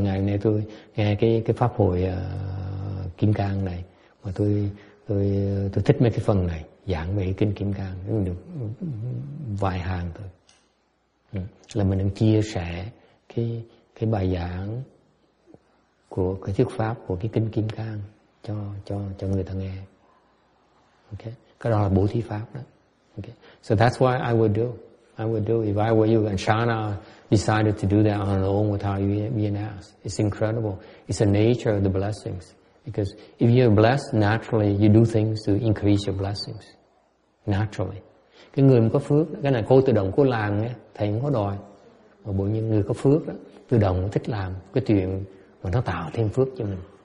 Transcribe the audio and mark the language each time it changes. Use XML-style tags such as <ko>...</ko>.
<vi>Ngày nay tôi nghe cái pháp hội Kim Cang này mà tôi thích mấy cái phần này giảng về kinh Kim Cang, mình được vài hàng thôi. Là mình đang chia sẻ cái bài giảng của cái thuyết pháp của cái kinh Kim Cang cho người ta nghe. Okay, cái đó là bố thí pháp đó.</vi> <en>Okay, so that's why I would do if I were you. And Shana decided to do that on her own without being asked. It's incredible. It's the nature of the blessings. Because if you're blessed naturally, you do things to increase your blessings naturally.</en> <vi>Cái người mà có phước, cái này cô tự động cô làm nghe, thầy không có đòi. Mà bởi những người có phước đó, tự động thích làm cái chuyện mà nó tạo thêm phước cho mình.</vi>